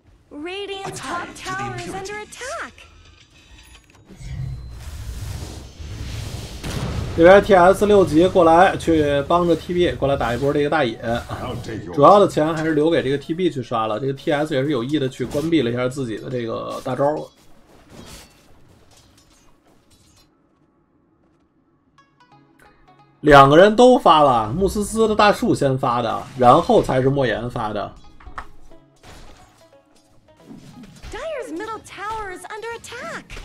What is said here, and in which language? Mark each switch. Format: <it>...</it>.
<en>Radiant top tower is under attack.</en> <zh>这边 TS 六级过来去帮着 TB 过来打一波这个大野，主要的钱还是留给这个 TB 去刷了。这个 TS 也是有意的去关闭了一下自己的这个大招。两个人都发了，穆斯斯的大树先发的，然后才是莫言发的。</zh> <en>Dire's middle tower is under attack.</en>